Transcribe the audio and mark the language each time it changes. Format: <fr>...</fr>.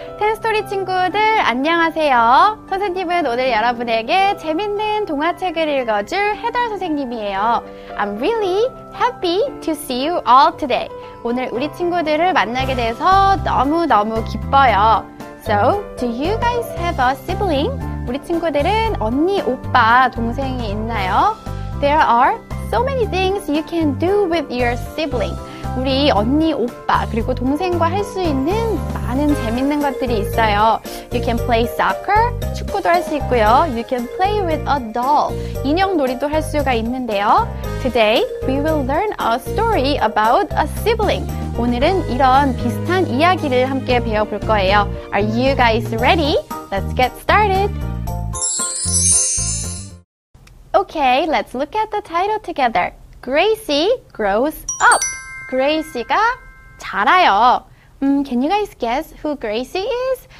<ko>텐스토리 친구들, 안녕하세요. 선생님은 오늘 여러분에게 재밌는 동화책을 읽어줄 헤더 선생님이에요.</ko> <en>I'm really happy to see you all today.</en> <ko>오늘 우리 친구들을 만나게 돼서 너무너무 기뻐요.</ko> <en>So, do you guys have a sibling?</en> <ko>우리 친구들은 언니, 오빠, 동생이 있나요?</ko> <en>There are so many things you can do with your sibling.</en> <ko>우리 언니, 오빠, 그리고 동생과 할 수 있는 많은 재밌는 것들이 있어요.</ko> <en>You can play soccer,</en> <ko>축구도 할 수 있고요.</ko> <en>You can play with a doll,</en> <ko>인형 놀이도 할 수가 있는데요.</ko> <en>Today, we will learn a story about a sibling.</en> <ko>오늘은 이런 비슷한 이야기를 함께 배워볼 거예요.</ko> <en>Are you guys ready? Let's get started. Okay, let's look at the title together. Gracie grows up.</en> <ko>Gracie가 자라요.</ko> <en>Can you guys guess who Gracie is?</en>